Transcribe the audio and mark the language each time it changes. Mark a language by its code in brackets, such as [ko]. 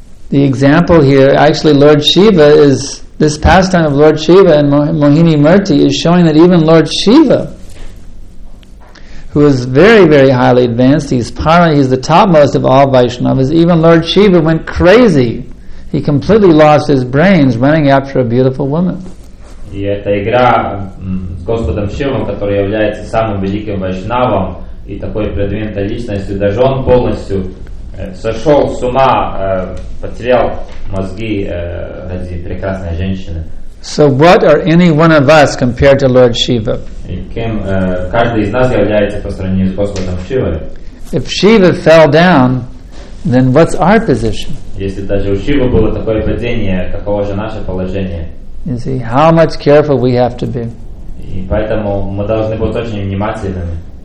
[en] The example here, actually Lord Shiva is, this pastime of Lord Shiva and Mohini Murti is showing that even Lord Shiva, who is very, very highly advanced, he's the topmost of all Vaishnavas, even Lord Shiva went crazy. He completely lost his brains running after a beautiful woman. [ru] И эта игра с Господом Шивом, который является самым великим Вайшнавом и такой продвинутой личностью, даже он полностью сошел с ума, потерял мозги ради прекрасной женщины. [en] So what are any one of us compared to Lord Shiva? [ru] Каждый из нас является по сравнению с Господом Шивой. [en] If Shiva fell down, then what's our position? [ru] Если даже у Шивы было такое падение, каково же наше положение? [en] You see, how much careful we have to be. [ru] И поэтому мы должны быть очень внимательными.